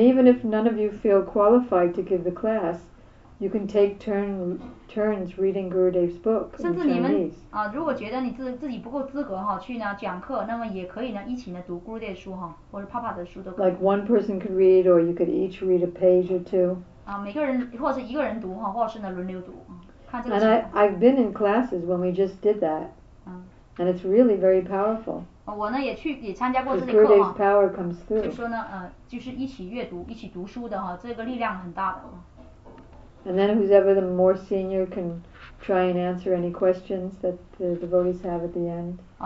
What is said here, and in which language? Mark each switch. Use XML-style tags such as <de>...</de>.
<en>even if none of you feel qualified to give the class, you can take turns reading Gurudev's book in Chinese.</en> <zh>甚至你们如果觉得你自己不够资格去讲课，那么也可以一起读Gurudev的书或者Papa的书都可以。</zh> <en>Like one person could read or you could each read a page or two.</en> <zh>每个人或者是一个人读或者是轮流读。And</zh> <en>I've been in classes when we just did that. And it's really very powerful.</en> <zh>我呢也参加过这个课。</zh> <en>Gurudev's power comes through.</en> <zh>就说呢，就是一起阅读、一起读书的哈，这个力量很大的。</zh> <en>And then who's ever the more senior can try and answer any questions that the devotees have at the end.</en>